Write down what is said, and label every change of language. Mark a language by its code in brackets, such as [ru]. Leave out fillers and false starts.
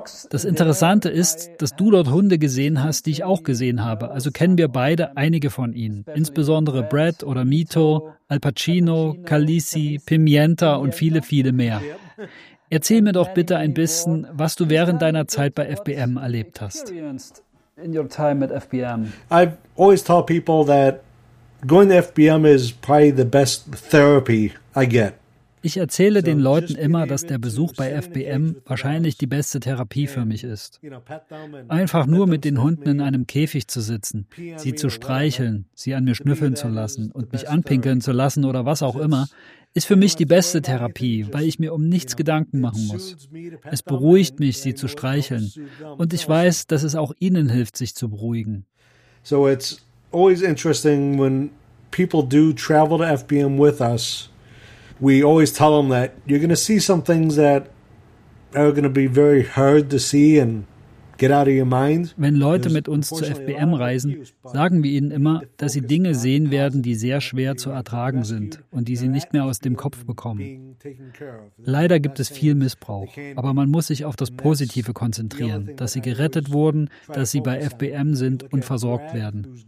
[de] Das Interessante ist, dass du dort Hunde gesehen hast, die ich auch gesehen habe. Also kennen wir beide einige von ihnen, insbesondere Brett oder Mito, Al Pacino, Khaleesi, Pimienta und viele, viele mehr. Erzähl mir doch bitte ein bisschen, was du während deiner Zeit bei FBM erlebt hast. [en] In your time at FBM. I've always told people that going to FBM is probably the best therapy I get. [de] Ich erzähle den Leuten immer, dass der Besuch bei FBM wahrscheinlich die beste Therapie für mich ist. Einfach nur mit den Hunden in einem Käfig zu sitzen, sie zu streicheln, sie an mir schnüffeln zu lassen und mich anpinkeln zu lassen oder was auch immer, ist für mich die beste Therapie, weil ich mir um nichts Gedanken machen muss. Es beruhigt mich, sie zu streicheln. Und ich weiß, dass es auch ihnen hilft, sich zu beruhigen. [en] So it's always interesting when people do travel to FBM with us. We always tell them that you're going to see some things that are going to be very hard to see and get out of your mind. [de] Wenn Leute mit uns zu FBM reisen, sagen wir ihnen immer, dass sie Dinge sehen werden, die sehr schwer zu ertragen sind und die sie nicht mehr aus dem Kopf bekommen. Leider gibt es viel Missbrauch, aber man muss sich auf das Positive konzentrieren, dass sie gerettet wurden, dass sie bei FBM sind und versorgt werden.